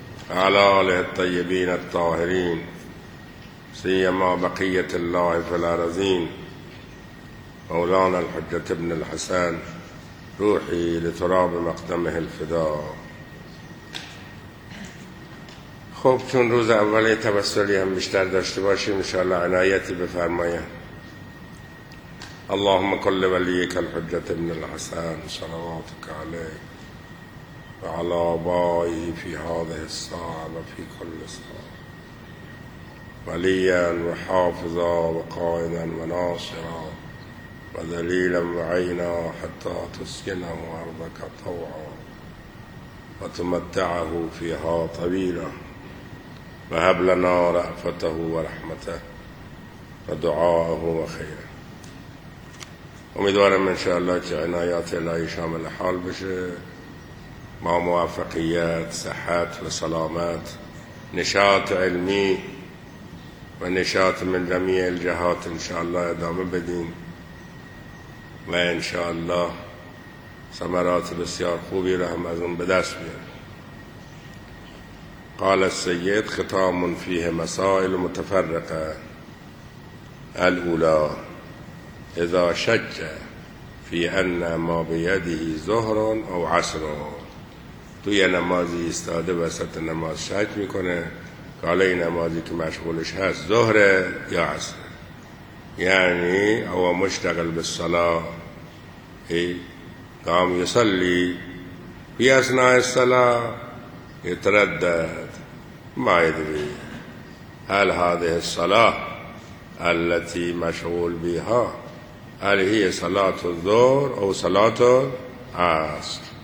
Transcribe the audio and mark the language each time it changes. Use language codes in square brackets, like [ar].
[ar] على آله الطيبين الطاهرين، سيما بقية الله في الأرضين، مولانا الحجة ابن الحسن، روحي لتراب مقدمه الفداء. [fa] خب چون روز اول توسلی هم بیشتر داشته باشیم انشاءالله عنایتی بفرماید. [ar] اللهم کل ولیک الحجة ابن الحسن صلواتک علیه وعلى آبائه في هذه الساعة وفي كل ساعة، وليا وحافظا وقائدا وناصرا وذليلا وعينا، حتى تسكنه أرضك طوعا وتمتعه فيها طويلا، وهب لنا رأفته ورحمته ودعاءه وخيره. [fa] امیدوارم ان شاء الله که عنایات الهی شامل حال بشه، ما موفقیت، صحت و سلامت، نشاط علمی و نشاط [ar] من جمیع الجهات [fa] انشاءالله ادامه بدیم و انشاءالله ثمرات بسیار خوبی را هم از اون به دست بیاریم. [ar] قال السید: ختام فیه مسائل متفرقه، الاولا اذا شک فی ان ما بیده ظهر او عصر. [fa] تو یه نمازی استاده وسط نماز شک میکنه که حالا این نمازی که مشغولش هست ظهره یا عصر، یعنی [ar] او مشتغل به صلاح ای قام یسلی فی اثناء الصلاه یتردد ما یدری هل هذه الصلاه التي مشغول بها هل هي صلاه الظهر او صلاه العصر،